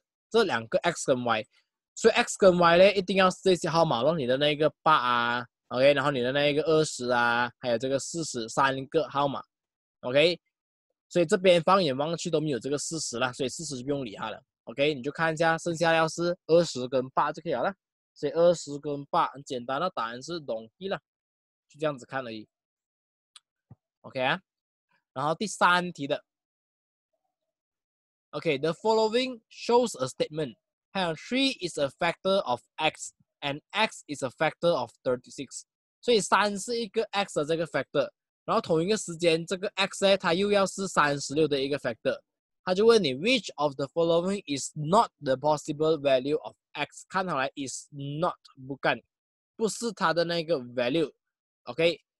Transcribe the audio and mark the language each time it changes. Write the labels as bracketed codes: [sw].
[zh] 这两个 X 跟 Y， 所以 X 跟 Y 呢一定要是这些号码咯，你的那个8啊 ，OK， 然后你的那个20啊，还有这个40三个号码 ，OK， 所以这边放眼望去都没有这个40了，所以40就不用理它了 ，OK， 你就看一下剩下要是20跟8就可以了，所以20跟8很简单的答案是容易了，就这样子看而已 ，OK 啊。然后第三题的 ，OK， [en] the following shows a statement. [zh] 还有 [en] 3 is a factor of x and x is a factor of 36. [zh] 所以3是一个 x 的这个 factor， 然后同一个时间这个 x 呢它又要是36的一个 factor， 它就问你 [en] which of the following is not the possible value of x， [zh] 看好来 is not 不干，不是它的那个 value， OK。